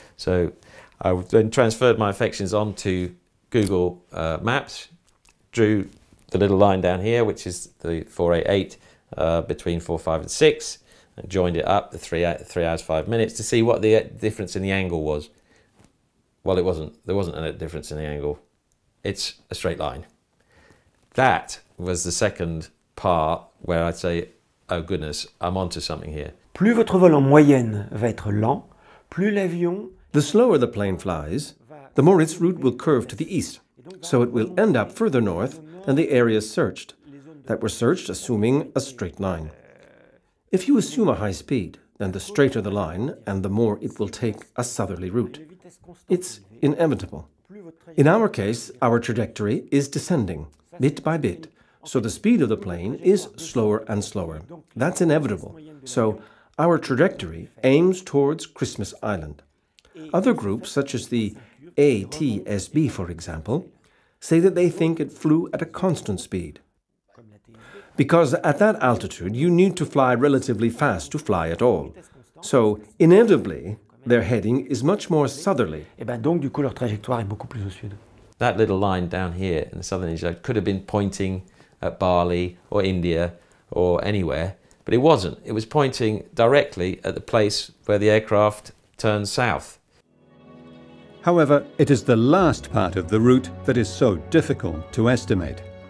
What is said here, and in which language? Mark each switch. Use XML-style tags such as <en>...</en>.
<en>So I then transferred my affections onto Google Maps, drew the little line down here, which is the 488 between 4.5 and 6, and joined it up, the 3 hours, 5 minutes, to see what the difference in the angle was. Well, it wasn't. There wasn't a difference in the angle. It's a straight line. That was the second part where I'd say, oh goodness, I'm onto something here.</en> <fr>Plus votre vol en moyenne va être lent, plus l'avion...</fr> <en>The slower the plane flies, the more its route will curve to the east. So it will end up further north than the areas searched, that were searched assuming a straight line. If you assume a high speed, then the straighter the line and the more it will take a southerly route. It's inevitable. In our case, our trajectory is descending, bit by bit. So the speed of the plane is slower and slower. That's inevitable. So our trajectory aims towards Christmas Island. Other groups, such as the ATSB, for example, say that they think it flew at a constant speed. Because at that altitude, you need to fly relatively fast to fly at all. So inevitably, their heading is much more southerly.</en> <fr>Et ben donc du coup leur trajectoire est beaucoup plus au sud.</fr> <en>That little line down here in the southern Asia could have been pointing at Bali or India or anywhere, but it wasn't. It was pointing directly at the place where the aircraft turned south. However, it is the last part of the route that is so difficult to estimate.</en>